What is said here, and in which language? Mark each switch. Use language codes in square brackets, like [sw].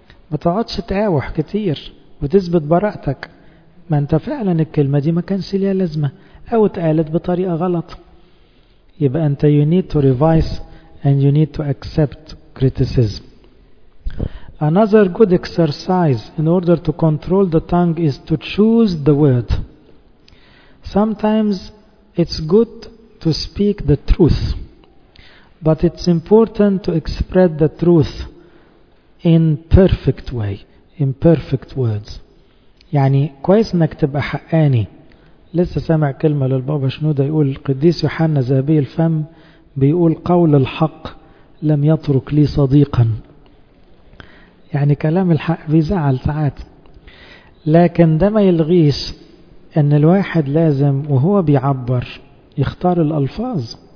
[ar] ما تقعدش تقاوح كتير وتثبت براءتك. ما انت فعلا الكلمة دي ما كانش ليها لازمة. أو اتقالت بطريقة غلط. يبقى أنت [en] you need to revise and you need to accept criticism. Another good exercise in order to control the tongue is to choose the word. Sometimes it's good to speak the truth, but it's important to express the truth in perfect way, in perfect words. [ar] يعني كويس أنك تبقى حقاني. لسه سامع كلمة للبابا شنودة يقول القديس يوحنا ذهبي الفم بيقول قول الحق لم يترك لي صديقا. يعني كلام الحق بيزعل ساعات, لكن ده ما يلغيش ان الواحد لازم وهو بيعبر يختار الألفاظ.